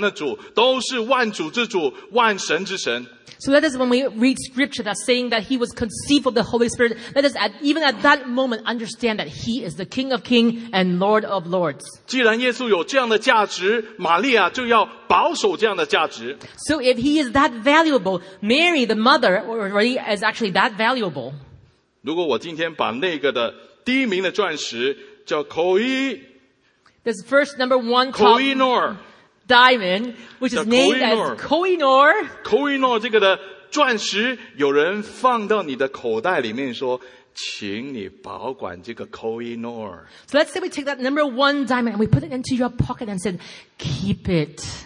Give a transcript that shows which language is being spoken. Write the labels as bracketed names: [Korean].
[Chinese] 但愿我们能够在认识、在读到这个圣经的时候，从圣灵怀孕的时候，我们就知道耶稣的价值从头到尾都是永恒的主，都是万主之主、万神之神。 [English] So that is when we read scripture that's saying that he was conceived of the Holy Spirit. Let us at, even at that moment understand that he is the King of Kings and Lord of Lords. [Chinese] 既然耶稣有这样的价值，玛利亚就要保守这样的价值。 [English] So if he is that valuable, Mary, the mother, already is actually that valuable. [Chinese] 如果我今天把那个的第一名的钻石叫 [English] This first number one called Diamond, which is named as Koh-i-Noor. [Chinese] Koh-i-Noor 这个的钻石，有人放到你的口袋里面，说，请你保管这个 Koh-i-Noor. [English] So let's say we take that number one diamond and we put it into your pocket and said, keep it.